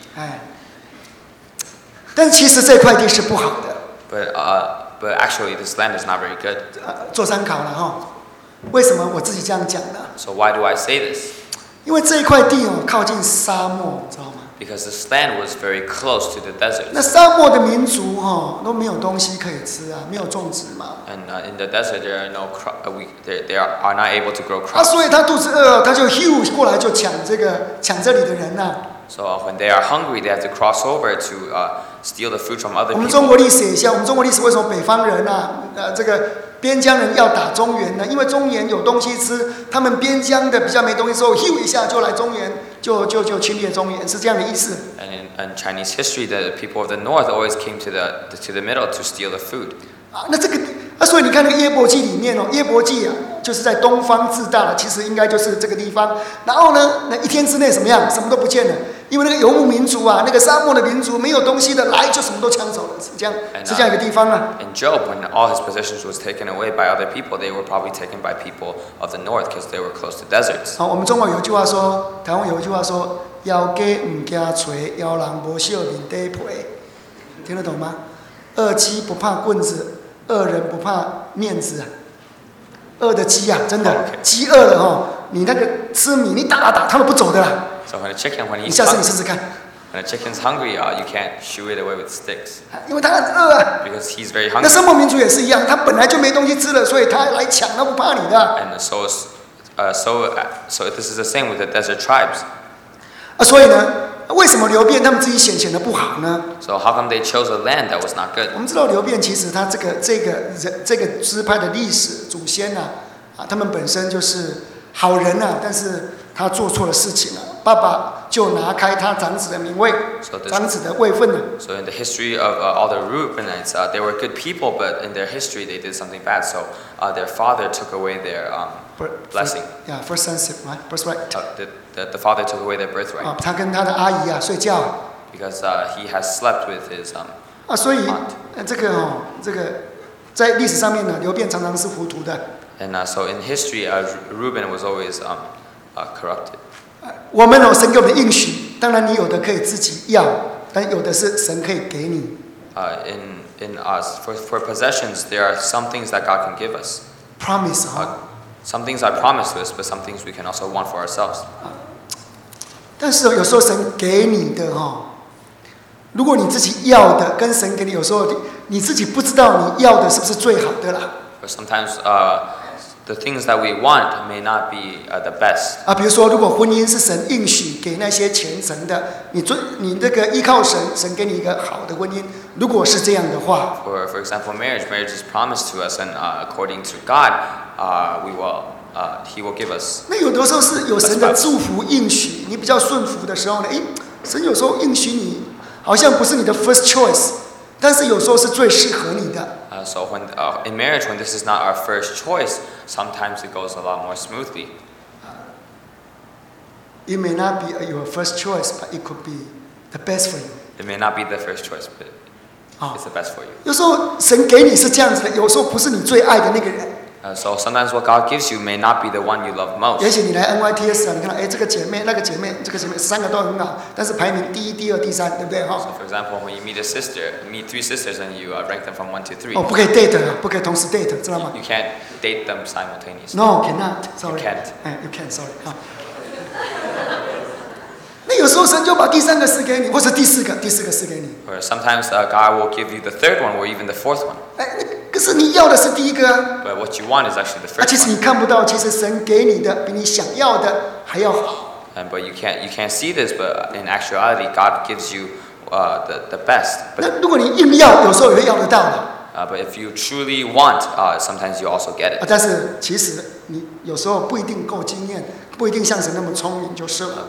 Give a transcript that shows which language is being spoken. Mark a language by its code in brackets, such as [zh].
[zh] 哎，但其实这块地是不好的。 [en] But actually this land is not very good. [zh] 做参考了哈。为什么我自己这样讲呢 [en] ？So why do I say this？ [zh] 因为这一块地哦，靠近沙漠，知道吗 [en] ？Because this land was very close to the desert. [zh] 那沙漠的民族哦，都没有东西可以吃啊，没有种植嘛。 [en] And in the desert, there are no crop. They are not able to grow crops. [zh] 啊，所以他肚子饿，他就 hew 过来就抢这里的人呐。 [en] So when they are hungry, they have to cross over to steal the food from other people. [zh] 我们中国历史一下，我们中国历史为什么北方人啊，这个。边疆人要打中原呢，因为中原有东西吃，他们边疆的比较没东西，所以咻一下就来中原，就侵略中原，是这样的意思。 [en] And in Chinese history, the people of the north always came to the middle to steal the food. [zh] 啊，那这个啊，所以你看那个耶伯记里面哦，耶伯记啊，就是在东方自大了，其实应该就是这个地方。然后呢，那一天之内怎么样，什么都不见了。因为那个游牧民族啊，那个沙漠的民族没有东西的，来就什么都抢走了，是这样一个地方啊。 [en] And Job, when all his possessions was taken away by other people, they were probably taken by people of the north because they were close to deserts. [zh] 好，我们中国有句话说，台湾有句话说，妖鸡唔惊锤，妖狼无笑面底皮，听得懂吗？饿鸡不怕棍子，饿人不怕面子啊。饿的鸡啊，真的，饥饿了哦，你那个吃米，你打打打，他都不走的啦。 [en] So when a chicken, when he's hungry, [zh] 你下次你试试看。 [en] When a chicken's hungry, you can't shoo it away with sticks. [zh] 因为他饿啊。 [en] Because he's very hungry. [zh] 那沙漠民族也是一样，他本来就没东西吃了，所以他来抢，他不怕你的。 [en] And so this is the same with the desert tribes. [zh] 啊，所以呢，为什么流便他们自己选的不好呢 [en] ？So how come they chose a land that was not good? [zh] 我们知道流便其实他这个支派的历史祖先啊，他们本身就是好人啊，但是他做错了事情了。爸爸就拿开他长子的名位， [en] so、this, [zh] 长子的位份了。 [en] So in the history of all the Reubenites, they were good people, but in their history they did something bad. So their father took away their blessing. Yeah, first sonship, right? Birthright. The father took away their birthright. [zh] 啊，他跟他的阿姨啊睡觉。 [en] Because he has slept with his aunt. [zh] 所以这个哦，这个在历史上面呢，流便常常是糊涂的。 [en] And so in history, Reuben was always corrupted. [zh] 我们有神给我们的应许，当然你有的可以自己要，但有的是神可以给你。 [en] In us for possessions, there are some things that God can give us. Promise, huh? Some things are promised to us, but some things we can also want for ourselves. [zh] 但是有时候神给你的哈，如果你自己要的跟神给你，有时候你自己不知道你要的是不是最好的啦。 [en] But sometimes, the things that we want may not be the best. [zh] 啊，比如说，如果婚姻是神应许给那些虔诚的，你那个依靠神，神给你一个好的婚姻。如果是这样的话 [en] ，For example, marriage is promised to us, and according to God, we will. He will give us. [zh] 那有的时候是有神的祝福应许，你比较顺服的时候呢？哎，神有时候应许你，好像不是你的 [en] first choice， [zh] 但是有时候是最适合你的。 [en] So when in marriage, when this is not our first choice, sometimes it goes a lot more smoothly. It may not be your first choice, but it could be the best for you. It may not be the first choice, but it's the best for you. [zh] 有时候神给你是这样子的，有时候不是你最爱的那个人。 [en] So sometimes what God gives you may not be the one you love most. [zh] 也许你来 NYTS 啊，你看到哎，这个姐妹、那个姐妹、这个姐妹，三个都很好，但是排名第一、第二、第三，对不对哈？ [en] So for example, when you meet a sister, meet three sisters, and you rank them from one to three. [zh] 哦，不可以 date， 不可以同时 date， 知道吗 [en] ？You can't date them simultaneously. No, cannot. Sorry. You can't. You can. Sorry. [zh] 那有时候神就把第三个赐给你，或者第四个，第四个赐给你。 [en] Or sometimes God will give you the third one, or even the fourth one. [zh] 可是你要的是第一个啊。 [en] But what you want is actually the first. [zh] 其实你看不到，其实神给你的比你想要的还要好。 [en] And but you can't see this, but in actuality, God gives you the best. [zh] 那如果你硬要，有时候也会要得到的。 [en] But if you truly want, sometimes you also get it. [zh] 但是其实你有时候不一定够经验，不一定像神那么聪明，就是了。